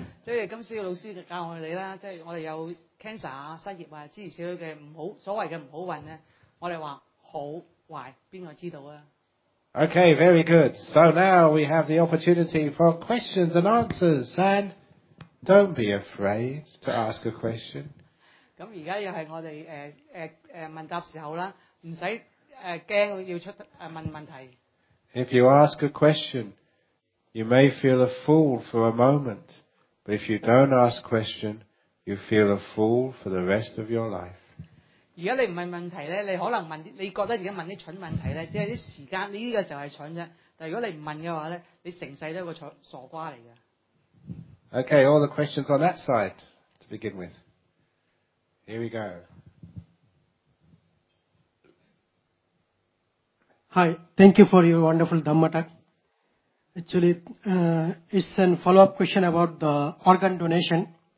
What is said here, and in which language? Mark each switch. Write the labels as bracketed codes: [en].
[yue] 即係今次老師就教我哋啦，即係我哋有。cancer 失業啊，之前所嘅唔好，所謂嘅唔好運咧，我哋話好壞，邊個知道啊 [en] ？Okay, very good. So now we have the opportunity for questions and answers, and don't be afraid to ask a question. [yue] 咁而家又係我哋問答時候啦，唔使驚要出問問題。 [en] If you ask a question, you may feel a fool for a moment, but if you don't ask a question,You feel a fool for the rest of your life. [yue] 如果你唔問問題咧，你可能問，你覺得自己問啲蠢問題咧，即係啲時間，你呢個時候係蠢啫。但如果你唔問嘅話咧，你成世都係個傻瓜嚟嘅。 [en] Okay, all the questions on that side to begin with. Here we go. Hi, thank you for your wonderful Dhamma talk. Actually, it's a follow-up question about the organ donation.